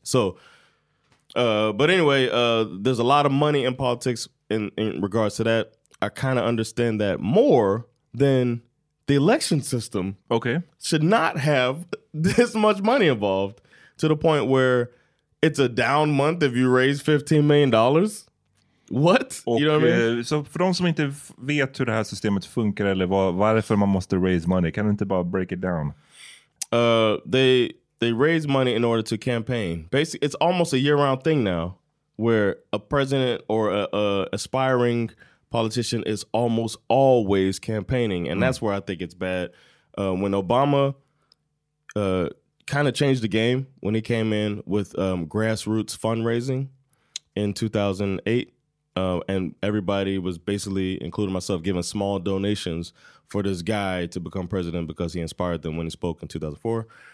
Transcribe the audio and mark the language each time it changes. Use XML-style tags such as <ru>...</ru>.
<en>So, but anyway, there's a lot of money in politics in regards to that. I kind of understand that more than the election system. Okay, should not have this much money involved to the point where it's a down month if you raise $15 million. What?</en> <sv>Och,</sv> <en>you know what I mean?</en> <sv>Så för de som inte vet hur det här systemet funkar eller varför man måste</sv> <en>raise money,</en> <sv>kan du inte bara</sv> <en>break it down? They raise money in order to campaign. Basically, it's almost a year-round thing now where a president or a aspiring politician is almost always campaigning. And that's where I think it's bad. When Obama kind of changed the game when he came in with grassroots fundraising in 2008, and everybody was basically, including myself, giving small donations for this guy to become president because he inspired them when he spoke in 2004.</en>